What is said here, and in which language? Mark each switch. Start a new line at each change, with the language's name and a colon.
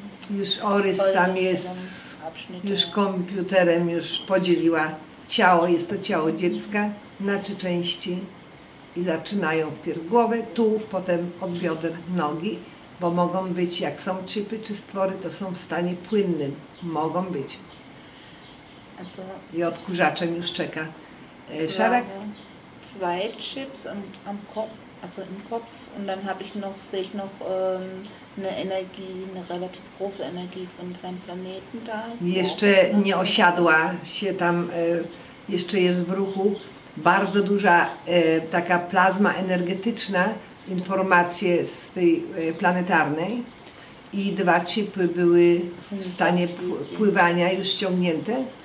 Polish: Już orys tam jest, już komputerem już podzieliła ciało, jest to ciało dziecka na trzy części i zaczynają wpierw głowę, tułów, potem od bioder nogi, bo mogą być, jak są chipy czy stwory, to są w stanie płynnym, mogą być. I odkurzaczem już czeka. Szarek?
German: Zwei Chips am Kopf, also im Kopf, und dann habe ich noch, sehe ich noch eine Energie, eine relativ große Energie von seinem Planeten da.
Polish: Jeszcze nie osiadła się tam, jeszcze jest w ruchu. Bardzo duża taka plazma energetyczna, informacje z tej planetarnej. I dwa chipy były w stanie pływania już ściągnięte.